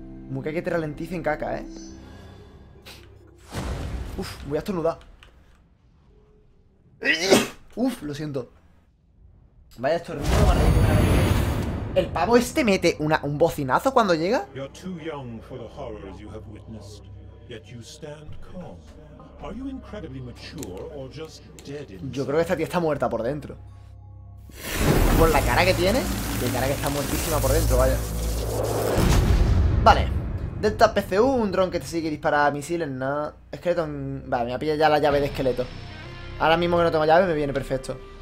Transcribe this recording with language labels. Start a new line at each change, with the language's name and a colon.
Spanish: Mukai que te ralenticen, caca, ¿eh? Uf, voy a estornudar. Uf, lo siento. Vaya estornudo, vale. El pavo este mete un bocinazo cuando llega.
English: You're too young for the horrors you have witnessed, yet you stand calm. Are you incredibly mature or just dead inside?
Spanish: Yo creo que esta tía está muerta por dentro. Por la cara que tiene, de cara que está muertísima por dentro, vaya. Vale. Delta PCU, un dron que te sigue y dispara misiles, nada. Esqueleto en... Vale, me ha pillado ya la llave de esqueleto. Ahora mismo que no tengo llave me viene perfecto.